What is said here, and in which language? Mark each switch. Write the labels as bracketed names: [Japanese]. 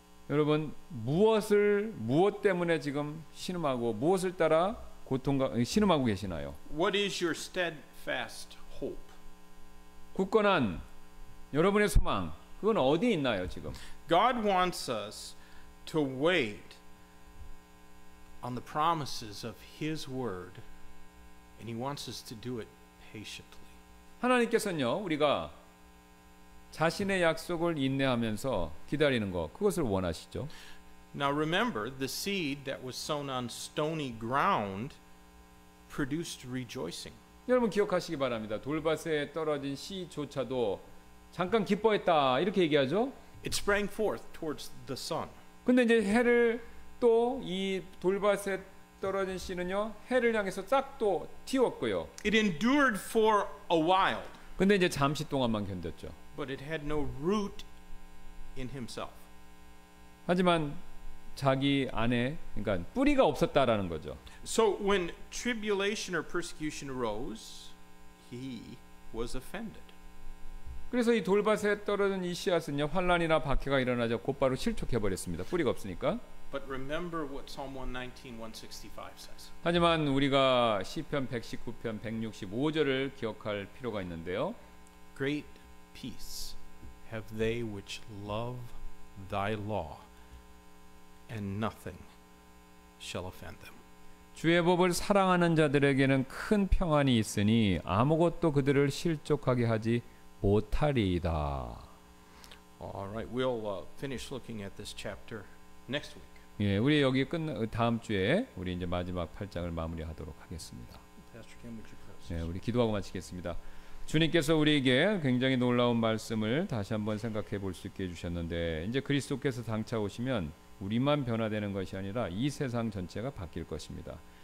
[Korean] 여러분, 무엇 때문에 지금 신음하고 무엇을 따라 신음하고 계시나요? [English] What is your steadfast hope? [Korean] 굳건한 여러분의 소망, 그건 어디 있나요, 지금? [English] God wants us to wait on the promises of his word. And he wants us to do it patiently. [Korean] 하나님께서는요, 우리가 자신의 약속을 인내하면서 기다리는 것, 그것을 원하시죠. [English] Now remember, the seed that was sown on stony ground produced rejoicing. [Korean] 여러분 기억하시기 바랍니다. 돌밭에 떨어진 씨조차도 잠깐 기뻐했다 이렇게 얘기하죠. [English] It sprang forth towards the sun. [Korean] 근데 이제 해를 또 이 돌밭에 떨어진 씨는요 해를 향해서 싹도 튀었고요. [English] It endured for a while. [Korean] 근데 이제 잠시 동안만 견뎠죠. [English] But it had no root in himself. [Korean] 하지만 자기 안에 그러니까 뿌리가 없었다라는 거죠. [English] So when tribulation or persecution arose, he was offended. [Korean] 그래서 이 돌밭에 떨어진 이 씨앗은요 환난이나 박해가 일어나자 곧바로 실족해 버렸습니다. 뿌리가 없으니까. [English] But remember what Psalm 119:165 says. [Korean] 하지만 우리가 시편 119편 165절을 기억할 필요가 있는데요. [English] Great peace have they which love thy law, and nothing shall offend them. [Korean] 주의 법을 사랑하는 자들에게는 큰 평안이 있으니 아무것도 그들을 실족하게 하지 못하리이다. [English] All right, we'll finish looking at this chapter next week. [Korean] 예, 우리 여기 다음 주에 우리 이제 마지막 8장을 마무리하도록 하겠습니다. 예, 우리 기도하고 마치겠습니다. 주님께서 우리에게 굉장히 놀라운 말씀을 다시 한번 생각해 볼 수 있게 해주셨는데 이제 그리스도께서 당차 오시면 우리만 변화되는 것이 아니라 이 세상 전체가 바뀔 것입니다.